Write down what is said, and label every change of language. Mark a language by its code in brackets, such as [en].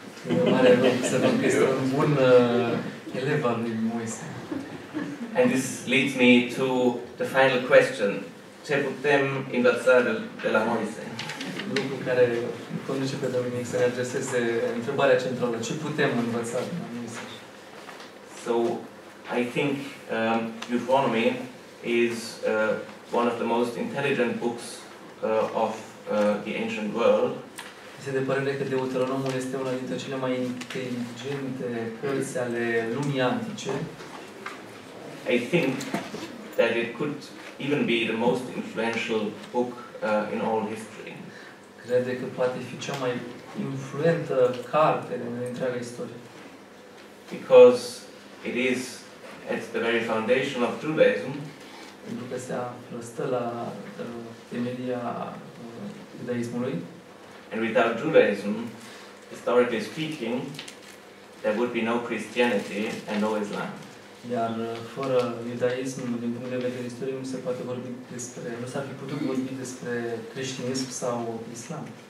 [ro] E mare loc să văd că este un bun elev al lui Moise. [en] And this leads me to the final question. [ro] Ce putem învăța de la Moise? Lucru care conduce pe Dominic să ne adreseze întrebarea centrală. Ce putem învăța de la Moise? [en] So, I think Deuteronomy is one of the most intelligent books of the ancient world. [ro] Este de părere că Deuteronomul este una dintre cele mai inteligente cărți ale lumii antice. [en] I think that it could even be the most influential book in all history. [ro] Crede că poate fi cea mai influentă carte în întreaga istorie. [en] Because it is at the very foundation of Judaism. [ro] Pentru că se stă la temelia judaismului. [en] And without Judaism, historically speaking, there would be no Christianity and no Islam. [ro] Iar fără iudaism, din punct de vedere istoric, nu se poate vorbi despre, nu s-ar fi putut vorbi despre creștinism sau islam.